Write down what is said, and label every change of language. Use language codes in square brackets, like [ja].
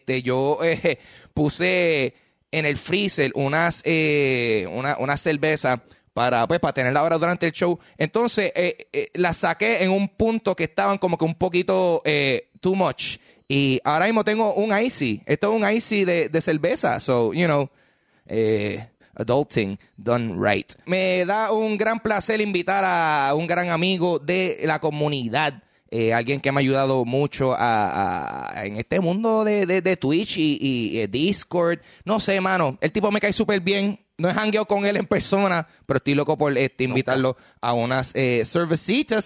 [es] Yo puse en el freezer una cerveza para tenerla ahora durante el show. Entonces la saqué en un punto que estaban como que un poquito [en] too much. [es] Y ahora mismo tengo un icy. Esto es un icy de cerveza. [en] So, you know, adulting done right. [es] Me da un gran placer invitar a un gran amigo de la comunidad. Alguien que me ha ayudado mucho en este mundo de Twitch y Discord. No sé, mano. El tipo me cae súper bien. No he hangueado con él en persona, pero estoy loco por invitarlo a unas cervecitas.